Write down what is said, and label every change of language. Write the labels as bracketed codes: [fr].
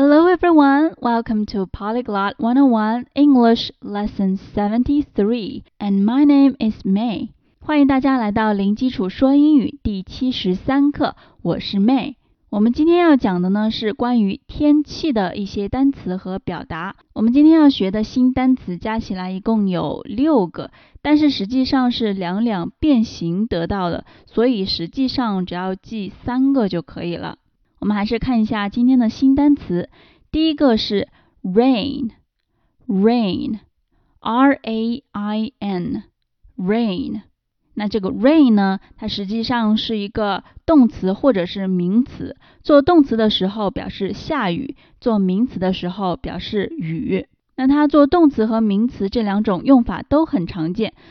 [en] everyone, welcome to Polyglot 101 English Lesson 73, and my name is May. [zh] 欢迎大家来到零基础说英语第73课，我是 May。我们今天要讲的呢是关于天气的一些单词和表达。我们今天要学的新单词加起来一共有六个，但是实际上是两两变形得到的，所以实际上只要记三个就可以了。我们还是看一下今天的新单词。第一个是 rain, R-A-I-N, rain。那这个 rain 呢，它实际上是一个动词或者是名词。做动词的时候表示下雨，做名词的时候表示雨。那它做动词和名词这两种用法都很常见。